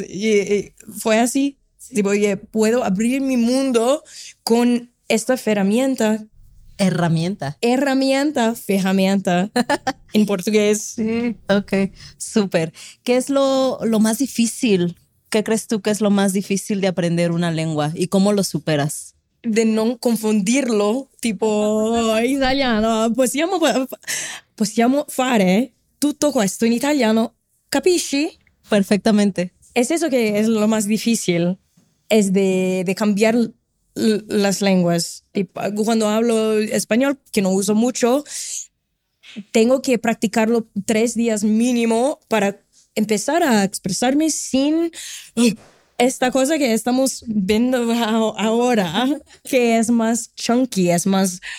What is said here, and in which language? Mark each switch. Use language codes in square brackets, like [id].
[es] Y fue así. Tipo, oye, puedo abrir mi mundo con esta ferramenta. Herramienta. Herramienta, ferramenta, en portugués. Sí, ok, súper. ¿Qué es lo más difícil? ¿Qué crees tú que es lo más difícil de aprender una lengua y cómo lo superas? De no confundirlo, tipo, [it] italiano, possiamo fare tutto questo in italiano, capisci? [es] Perfectamente. Es eso que es lo más difícil, es de cambiar las lenguas. Tipo, cuando hablo español, que no uso mucho, tengo que practicarlo 3 días mínimo para empezar a expresarme sin esta cosa que estamos viendo ahora, que es más chunky, es más...